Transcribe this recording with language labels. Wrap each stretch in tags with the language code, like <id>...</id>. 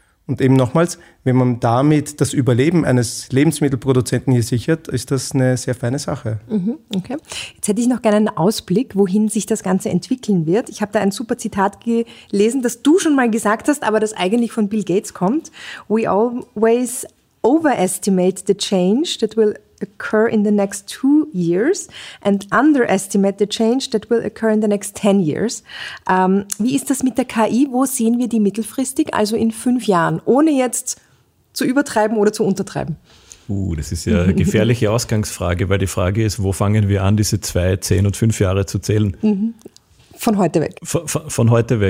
<de>Und eben nochmals, wenn man damit das Überleben eines Lebensmittelproduzenten hier sichert, ist das eine sehr feine Sache. Okay. Jetzt hätte ich noch gerne einen Ausblick, wohin sich das Ganze entwickeln wird. Ich habe da ein super Zitat gelesen, das du schon mal gesagt hast, aber das eigentlich von Bill Gates kommt.</de> <en>We always overestimate the change that will occur in the next 2 years and underestimate the change that will occur in the next 10 years.</en> <de>Wie ist das mit der KI? Wo sehen wir die mittelfristig, also in 5 Jahren, ohne jetzt zu übertreiben oder zu untertreiben? Das ist ja eine gefährliche Ausgangsfrage, weil die Frage ist, wo fangen wir an, diese 2, 10 und 5 Jahre zu zählen? Von heute weg. Von heute weg.</de>